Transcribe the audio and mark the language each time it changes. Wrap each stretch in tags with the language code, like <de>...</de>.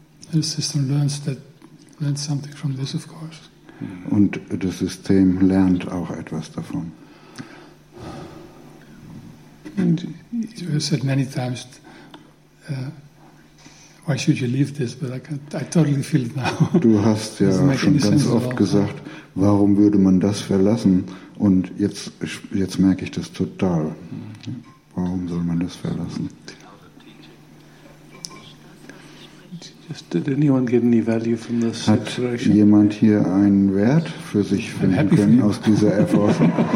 <en>And the system learns something from this, of course.</en> <de>Und das System lernt auch etwas davon.</de> <en>And you said many times, why should you leave this? But I totally feel it now.</en> <de>Du hast ja schon ganz oft gesagt, warum würde man das verlassen? Und jetzt merke ich das total. Warum soll man das verlassen?</de> <en>Did anyone get any value from this situation?</en> <de>Hat jemand hier einen Wert für sich finden können aus dieser Erfahrung?</de>